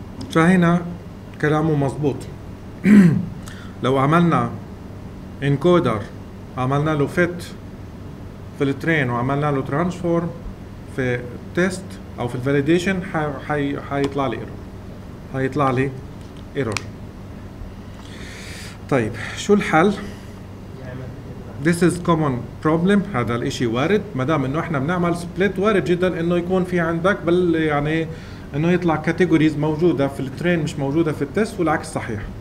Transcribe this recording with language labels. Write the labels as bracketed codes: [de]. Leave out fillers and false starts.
[ar] شاهينا كلامه مظبوط. لو عملنا انكودر عملنا له فيت في الترين وعملنا له ترانسفورم في تيست او في الفاليديشن حيطلع لي ايرور، حيطلع لي ايرور. طيب شو الحل؟ [en] This is common problem. [ar] هذا الاشي وارد ما دام انه احنا بنعمل سبليت، وارد جدا انه يكون في عندك بل يعني انه يطلع كاتيجوريز موجوده في الترين مش موجوده في التست والعكس صحيح.